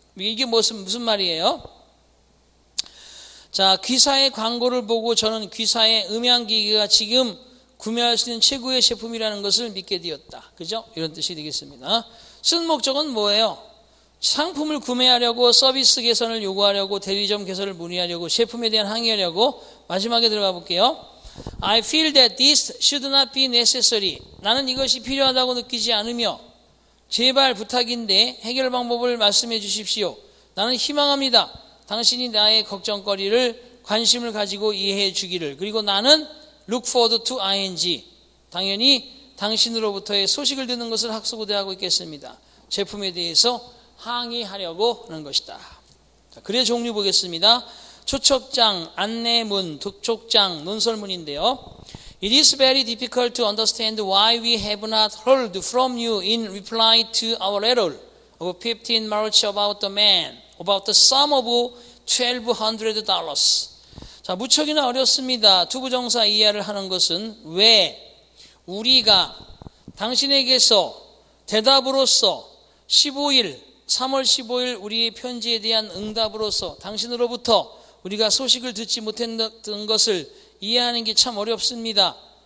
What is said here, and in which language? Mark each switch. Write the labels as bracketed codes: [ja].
[ko] 이게 무슨 말이에요? 자, 귀사의 광고를 보고 저는 귀사의 음향기기가 지금 구매할 수 있는 최고의 제품이라는 것을 믿게 되었다. 그죠? 이런 뜻이 되겠습니다. 쓴 목적은 뭐예요? 상품을 구매하려고, 서비스 개선을 요구하려고, 대리점 개선을 문의하려고, 제품에 대한 항의하려고. 마지막에 들어가 볼게요. [en] I feel that this should not be necessary. [ko] 나는 이것이 필요하다고 느끼지 않으며, 제발 부탁인데 해결 방법을 말씀해 주십시오. 나는 희망합니다. 당신이 나의 걱정거리를 관심을 가지고 이해해 주기를. 그리고 나는 [en] look forward to ing. [ko] 당연히 당신으로부터의 소식을 듣는 것을 학수고대하고 있겠습니다. 제품에 대해서 항의하려고 하는 것이다. 자, 글의 종류 보겠습니다. 초청장, 안내문, 독촉장, 논설문인데요. [en] It is very difficult to understand why we have not heard from you in reply to our letter of 15 March about the man, about the sum of $1,200. [ko] 자, 무척이나 어렵습니다. 투부정사 이해를 하는 것은 왜 우리가 당신에게서 대답으로서 15일, 3월 15일 우리의 편지에 대한 응답으로서 당신으로부터 우리가 소식을 듣지 못했던 것을 이해하는 게 참 어렵습니다.